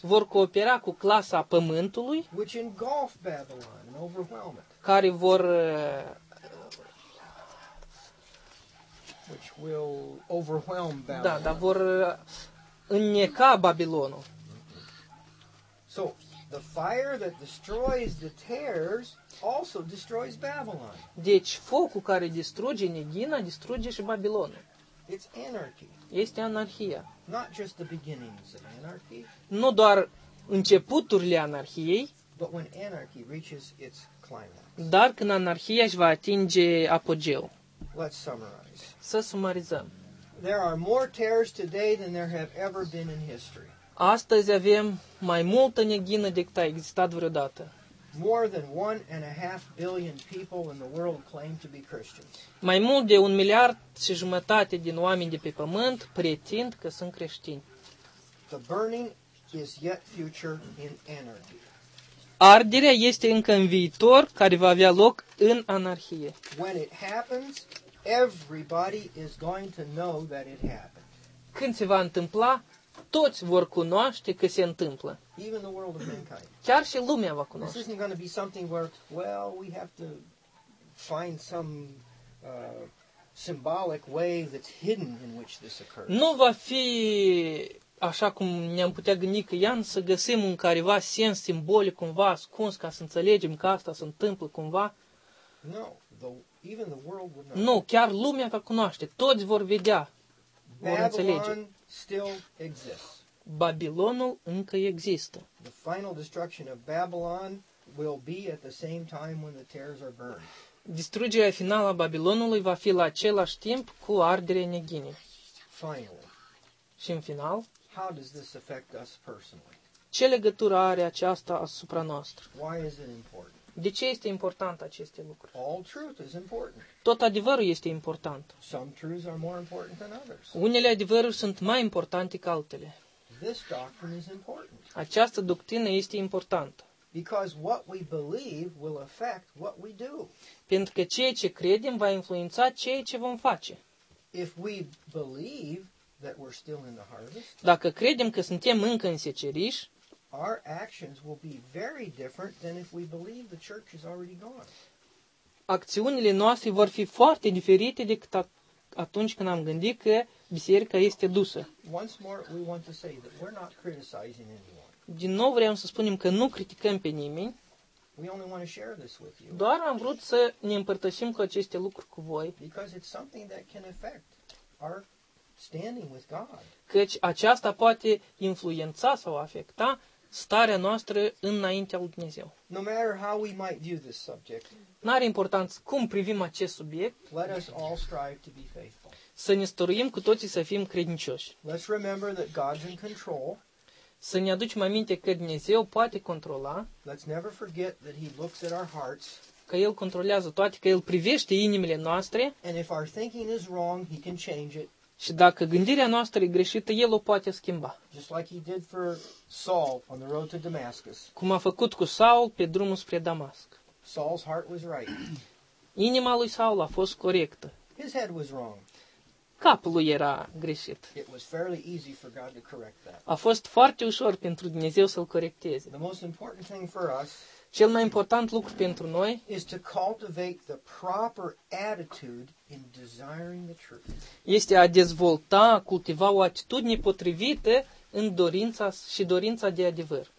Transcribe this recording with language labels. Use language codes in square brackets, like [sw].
[ro] vor coopera cu clasa pământului, [en] which engulf Babylon and overwhelm it. [ro] Care vor [en] which will overwhelm Babylon. [ro] Da, dar vor înneca Babilonul. [en] So, the fire that destroys the tares also destroys Babylon. [ro] Deci focul care distruge neghina distruge și Babilonul. [en] It's anarchy. [ro] Este anarhia. [en] Not just the beginnings of anarchy. [ro] Nu doar începuturile anarhiei. [en] But when anarchy reaches its climax. [ro] Dar când anarhia își va atinge apogeul. [en] Let's summarize. [ro] Să sumarizăm. [en] There are more tares today than there have ever been in history. [ro] Astăzi avem mai multă neghină decât a existat vreodată. [en] More than 1.5 billion people in the world claim to be Christians. [ro] Mai mult de 1.5 miliarde din oameni de pe pământ pretind că sunt creștini. [en] The burning is yet future in anarchy. [ro] Arderea este încă în viitor, care va avea loc în anarhie. [en] When it happens, everybody is going to know that it happened. [ro] Când se va întâmpla, toți vor cunoaște că se întâmplă. [en] Even the world of mankind. [ro] Chiar și lumea va cunoaște. [en] This isn't going to be something where, well, we have to find some symbolic way that's hidden in which this occurs. [ro] Nu va fi așa cum ne-am putea gândi că ian să găsim un careva sens simbolic cumva ascuns ca să înțelegem că asta se întâmplă cumva. [en] No, even the world would know. [ro] Nu, chiar lumea va cunoaște, toți vor vedea, vor înțelege. [en] Still exists. [ro] Babilonul încă există. [en] The final destruction of Babylon will be at the same time when the tares are burned. [ro] Distrugerea finală a Babilonului va fi la același timp cu arderea neghinii. [en] Finally. [ro] Și în final, [en] how does this affect us personally? [ro] Ce legătură are aceasta asupra noastră? [en] Why is it important? [ro] De ce este important aceste lucruri? [en] All truth is important. [ro] Tot adevărul este important. [en] Some truths are more important than others. [ro] Unele adevăruri sunt mai importante ca altele. [en] This doctrine is important. [ro] Această doctrină este importantă. [en] Because what we believe will affect what we do. [ro] Pentru că ceea ce credem va influența ceea ce vom face. [en] If we believe that we're still in the harvest, [ro] dacă credem că suntem încă în seceriș, [en] our actions will be very different than if we believe the church is already gone. [ro] Acțiunile noastre vor fi foarte diferite decât atunci când am gândit că biserica este dusă. [en] Once more, we want to say that we're not criticizing anyone. [ro] Din nou vreau să spunem că nu criticăm pe nimeni. [en] We only want to share this with you. [ro] Doar am vrut să ne împărtășim cu aceste lucruri cu voi. [en] Because it's something that can affect our standing with God. [ro] Căci aceasta poate influența sau afecta starea noastră înaintea lui Dumnezeu. [en] No matter how we might view this subject. [ro] N-are importanță cum privim acest subiect. [en] Let us all strive to be faithful. [ro] Să ne stăruim cu toții să fim credincioși. [en] Let's remember that God's in control. [ro] Să ne aducem aminte că Dumnezeu poate controla. [en] Let's never forget that he looks at our hearts. [ro] Că El controlează toate, că El privește inimile noastre. [en] And if our thinking is wrong, he can change it. [ro] Și dacă gândirea noastră e greșită, El o poate schimba. [en] Just like he did for Saul on the road to Damascus. [ro] Cum a făcut cu Saul pe drumul spre Damasc. [en] Saul's heart was right. [ro] Inima lui Saul a fost corectă. [en] His head was wrong. [ro] Capul lui era greșit. [en] It was fairly easy for God to correct that. [ro] A fost foarte ușor pentru Dumnezeu să-l corecteze. [en] The most important thing for us, [ro] cel mai important lucru pentru noi, [en] is to cultivate the proper attitude in desiring the truth. [ro] Este a dezvolta, a cultiva o atitudine potrivită în dorința și dorința de adevăr.